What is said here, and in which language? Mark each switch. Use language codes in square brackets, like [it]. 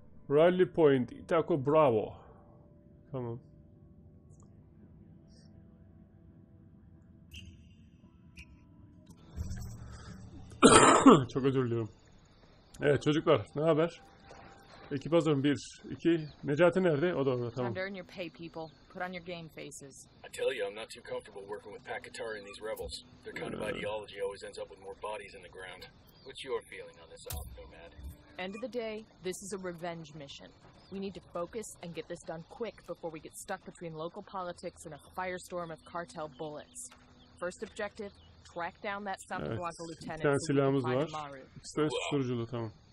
[en] Rally point. Itaco Bravo. Tamam. [tr] Çok özür diliyorum. Evet çocuklar, ne haber? Ekip hazır mı? 1, 2, Necati nerede? O da orada, tamam. [en] Time to earn your pay, people. Put on your game faces. I tell you, I'm not too comfortable working with Pakatari and these rebels. Their kind of ideology always ends up with more bodies in the ground. What's your feeling on this op, Nomad? End of the day, this is a revenge mission. We need to focus and get this done quick before we get stuck between local politics and a firestorm of cartel bullets. First objective, track down that Santa Blanca lieutenant. [tr] Evet, bir tane silahımız var. İkisi de tamam.